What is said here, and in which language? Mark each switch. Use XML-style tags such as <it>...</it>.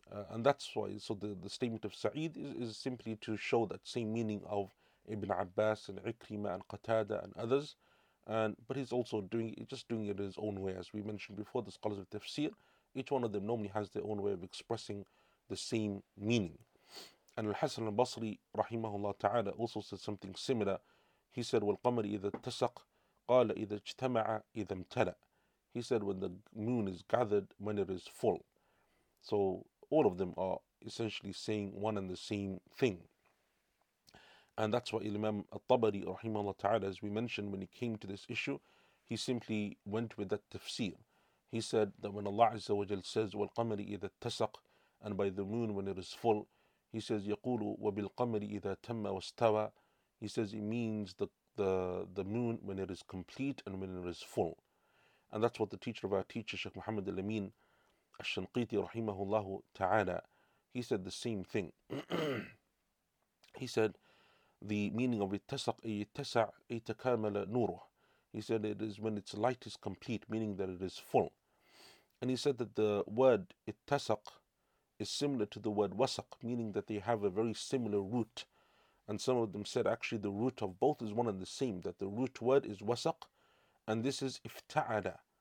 <en>And that's why, so the statement of Sa'id is simply to show that same meaning of Ibn Abbas and Ikrimah and Qatada and others. But he's also doing it in his own way. As we mentioned before, the scholars of tafsir, each one of them normally has their own way of expressing the same meaning. And Al-Hasan al-Basri, rahimahullah ta'ala, also said something similar. He said,</en> <ar>وَالْقَمَرِ إِذَا اتَّسَقْ قَالَ إِذَا اجْتَمَعَ إِذَا امْتَلَأْ.</ar> <en>He said, when the moon is gathered, when it is full. So all of them are essentially saying one and the same thing. And that's why Imam al-Tabari, rahimahullah ta'ala, as we mentioned, when he came to this issue, he simply went with that tafsir. He said that when Allah Azza wa Jal says,</en> <ar>وَالْقَمَرِ إِذَا اتَّسَقْ,</ar> <en>and by the moon when it is full, he says,</en> <ar>يَقُولُ وَبِالْقَمَرِ إِذَا تَمَّ وَاسْتَوَى,</ar> <en>he says it means the moon when it is complete and when it is full. And that's what the teacher of our teacher, Sheikh Muhammad al-Amin al-Shanqiti, rahimahullah ta'ala, he said the same thing. He said, the meaning of التسق,</en> <ar>أي التسع, أي تكامل نوره.</ar> <en>He said it is when its light is complete, meaning that it is full. And he said that the word التسق is similar to the word wasaq, meaning that they have a very similar root. And some of them said actually the root of both is one and the same, that the root word is wasaq, and this is ifta'ala.</en>